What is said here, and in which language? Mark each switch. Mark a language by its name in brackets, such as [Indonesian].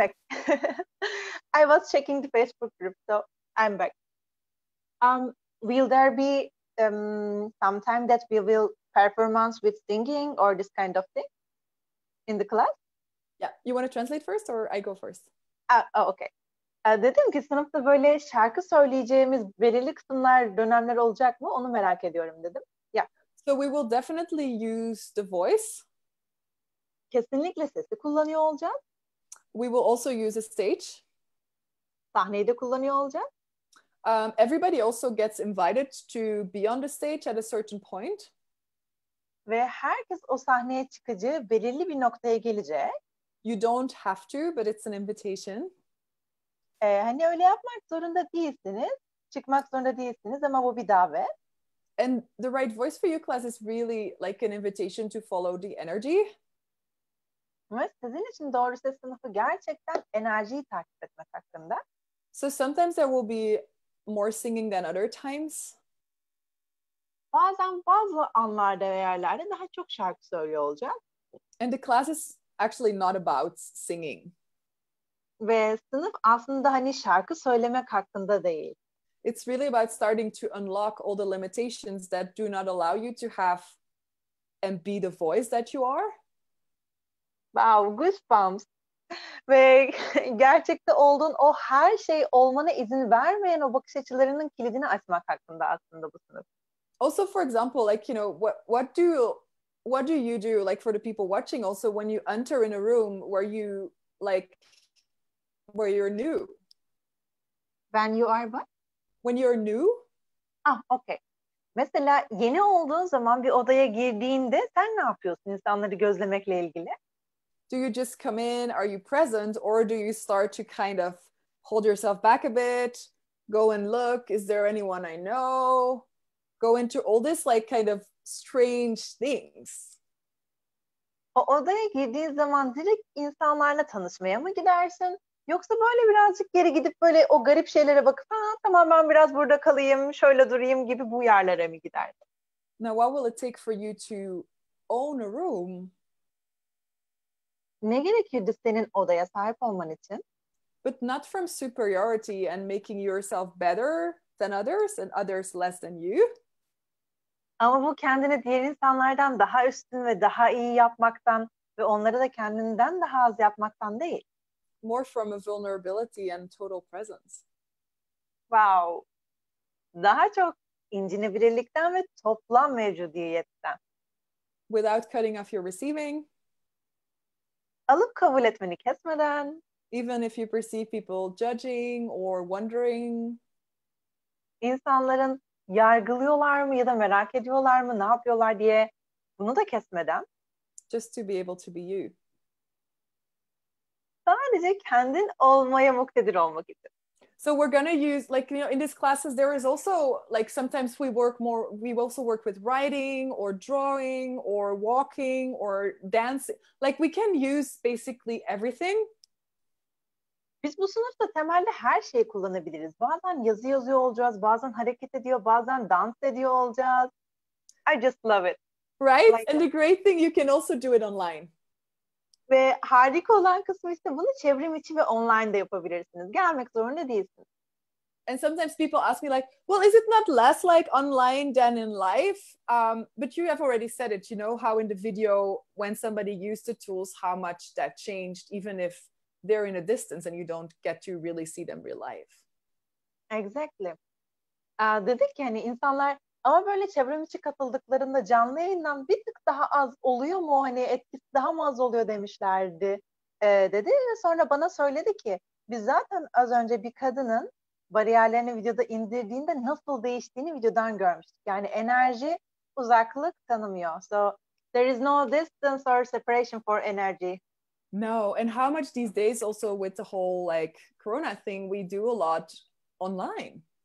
[English] I was checking the Facebook group, so I'm back. Will there be sometime that we will performance with singing or this kind of thing in the class? Yeah, you want to translate first or I go first? Okay. [Turkish] Dedim ki sınıfta böyle şarkı söyleyeceğimiz belirli kısımlar, dönemler olacak mı? Onu merak ediyorum dedim. Yeah. [English] So we will definitely use the voice. [Turkish] Kesinlikle sesi kullanıyor olacağız. [English] We will also use a stage. [Turkish] Sahneyi de kullanıyor olacağız. [English] Everybody also gets invited to be on the stage at a certain point. [Turkish] Ve herkes o sahneye çıkıcı belirli bir noktaya gelecek. [English] You don't have to, but it's an invitation. [Turkish] Hani öyle yapmak zorunda değilsiniz, çıkmak zorunda değilsiniz ama bu bir davet. [English] And the right voice for your class is really like an invitation to follow the energy. [Turkish] Ama sizin için doğru ses sınıfı gerçekten enerjiyi takip etmek hakkında. [English] So sometimes there will be more singing than other times. [Turkish] Bazen bazı anlarda ve yerlerde daha çok şarkı söylüyor olacağım. [English] And the class is actually not about singing. [Turkish] Ve sınıf aslında hani şarkı söylemek hakkında değil. [English] It's really about starting to unlock all the limitations that do not allow you to have and be the voice that you are. Wow, goosebumps. [Turkish] Ve gerçekte olduğun o her şey olmana izin vermeyen o bakış açılarının kilidini açmak hakkında aslında bu sınıf. [English] Also, for example, like, you know, what do you do, like, for the people watching also when you enter in a room where you, like, where you're new? When you are what? When you're new. Ah, okay. [Turkish] Mesela yeni olduğun zaman bir odaya girdiğinde sen ne yapıyorsun insanları gözlemekle ilgili? [English] Do you just come in? Are you present? Or do you start to kind of hold yourself back a bit? Go and look. Is there anyone I know? Go into all this like kind of strange things. [Turkish] O odaya girdiğin zaman direkt insanlarla tanışmaya mı gidersin? Yoksa böyle birazcık geri gidip böyle o garip şeylere bakıp tamam ben biraz burada kalayım, şöyle durayım gibi bu yerlere mi giderdin? [English] Now what will it take for you to own a room? [Turkish] Ne gerekirdi senin odaya sahip olman için? [English] But not from superiority and making yourself better than others and others less than you. [Turkish] Ama bu kendini diğer insanlardan daha üstün ve daha iyi yapmaktan ve onları da kendinden daha az yapmaktan değil. [English] More from a vulnerability and total presence. [Turkish] Wow. Daha çok incinebilirlikten ve toplam mevcudiyetten. [English] Without cutting off your receiving. [Turkish] Alıp kabul etmeni kesmeden. [English] Even if you perceive people judging or wondering. [Turkish] İnsanların yargılıyorlar mı ya da merak ediyorlar mı, ne yapıyorlar diye bunu da kesmeden. [English] Just to be able to be you. [Turkish] Sadece kendin olmaya muktedir olmak için. [English] So we're going to use, like, you know, in these classes, there is also, like, sometimes we work more, we also work with writing or drawing or walking or dancing. Like, we can use basically everything. [Turkish] Biz bu sınıfta temelde her şeyi kullanabiliriz. Bazen yazı yazıyor olacağız, bazen hareket ediyor, bazen dans ediyor olacağız. [English] I just love it. Right? Like, and the great thing, you can also do it online. [Turkish] Ve harika olan kısmı işte bunu çevrim içi ve online de yapabilirsiniz. Gelmek zorunda değilsiniz. [English] And sometimes people ask me like, well, is it not less like online than in life? But you have already said it, you know, how in the video when somebody used the tools, how much that changed, even if they're in a distance and you don't get to really see them real life. Exactly. [Turkish] Dedik ki hani insanlar ama böyle çevrim içi katıldıklarında canlı yayından bir tık daha az oluyor mu, hani etkisi daha mı az oluyor demişlerdi. Dedi ve sonra bana söyledi ki biz zaten az önce bir kadının bariyerlerini videoda indirdiğinde nasıl değiştiğini videodan görmüştük. Yani enerji uzaklık tanımıyor. [English] So there is no distance or separation for energy. No, and how much these days also with the whole like corona thing we do a lot online.